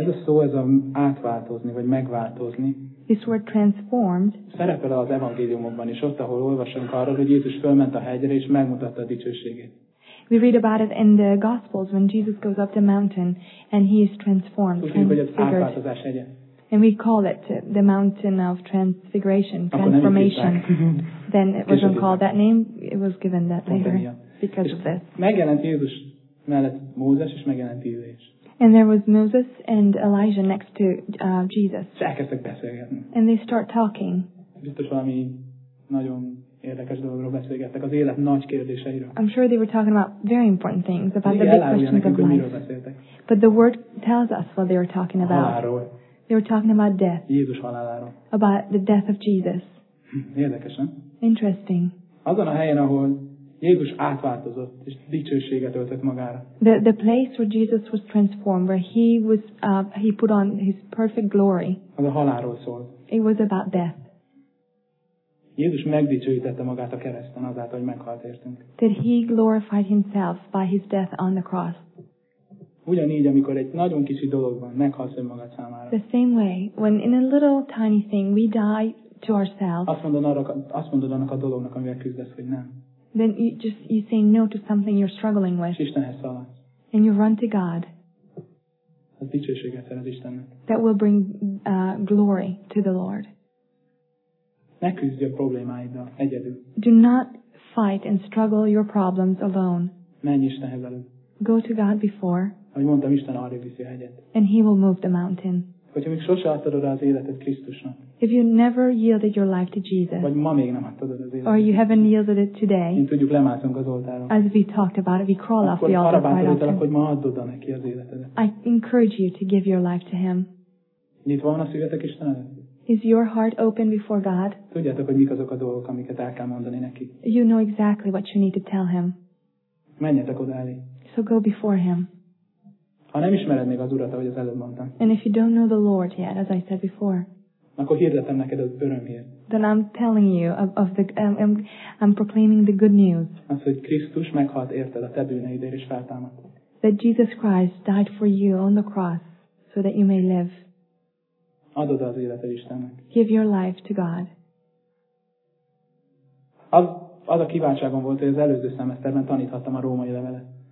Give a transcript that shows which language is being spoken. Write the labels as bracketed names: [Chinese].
[Hungarian] Ez a szó, ez a átváltozni, vagy megváltozni. [English] This word transformed. [Hungarian] Szerepel az evangéliumokban is, ott, ahol olvasunk arról, hogy Jézus fölment a hegyre, és megmutatta a dicsőségét. [English] We read about it in the Gospels, when Jesus goes up the mountain, and he is transformed. [Hungarian] Tudjuk, hogy az átváltozás egyen. [English] And we call it the mountain of transfiguration, transformation. Then it wasn't called that name, it was given that later because of this. [Hungarian] Megjelent Jézus mellett Mózes, és megjelent Illés. [English] And there was Moses and Elijah next to Jesus. [Hungarian] És elkezdtek beszélgetni. [English] And they start talking. [Hungarian] Biztos valami nagyon érdekes dologról beszélgettek, az élet nagy kérdéseiről. [English] I'm sure they were talking about very important things, about the big questions of life. But the word tells us what they were talking about. [Hungarian] Halálról. [English] They were talking about death. [Hungarian] Jézus haláláról. [English] About the death of Jesus. [Hungarian] Érdekes, nem? [English] Interesting. [Hungarian] Azon a helyen, ahol Jézus átváltozott, és dicsőséget öltött magára. [English] The place where Jesus was transformed, where he was he put on his perfect glory. [Hungarian] Az a halálról szólt. [English] It was about death. [Hungarian] Jézus megdicsőítette magát a kereszten azáltal, hogy meghalt értünk. [English] Did he glorified himself by his death on the cross? [Hungarian] Ugyanígy, amikor egy nagyon kicsi dologban meghalsz önmagad számára. [English] The same way, when in a little tiny thing we die to ourselves. [Hungarian] Azt mondod annak a dolognak, amivel küzdesz, hogy nem. [English] Then you say no to something you're struggling with. [Hungarian] Istenhez szaladsz. [English] And you run to God. [Hungarian] Az dicsőséget szerez Istennek. [English] That will bring glory to the Lord. [Hungarian] Ne küzdj a problémáiddal egyedül. [English] Do not fight and struggle your problems alone. [Hungarian] Menj Istenhez előtt. [English] Go to God before. [Hungarian] Ahogy mondtam, Isten arrébb viszi a hegyet. [English] And he will move the mountain. [Hungarian] Hogyha még sose adtad oda az életed Krisztusnak. [English] If you never yielded your life to Jesus. [Hungarian] Vagy ma még nem adtad oda az életed. [English] Or you haven't yielded it today. [Hungarian] Mint tudjuk, lemászunk az oltáról. [English] As we talked about it, we crawl off the altar. [Hungarian] Akkor arra bátorítalak, hogy ma add oda neki az életedet. [English] I encourage you to give your life to him. [Hungarian] Nyitva van a szívetek Isten előtt? [English] Is your heart open before God? [Hungarian] Tudjátok, hogy mik azok a dolgok, amiket el kell mondani neki. [English] You know exactly what you need to tell him. [Hungarian] Menjetek oda elé. [English] So go before him. [Hungarian] Ha nem ismered még az Urat, ahogy az előbb mondtam. [English] And if you don't know the Lord yet, as I said before. [Hungarian] Akkor hirdetem neked az örömhírt. [English] Then I'm telling you of the I'm proclaiming the good news. [Hungarian] Az, hogy Krisztus meghalt érted a te bűneidért és feltámadt. [English] That Jesus Christ died for you on the cross so that you may live. [Hungarian] Adod az életed Istennek. [English] Give your life to God. [Hungarian] Az a kiváltságom volt, hogy az előző szemeszterben taníthattam a római levelet.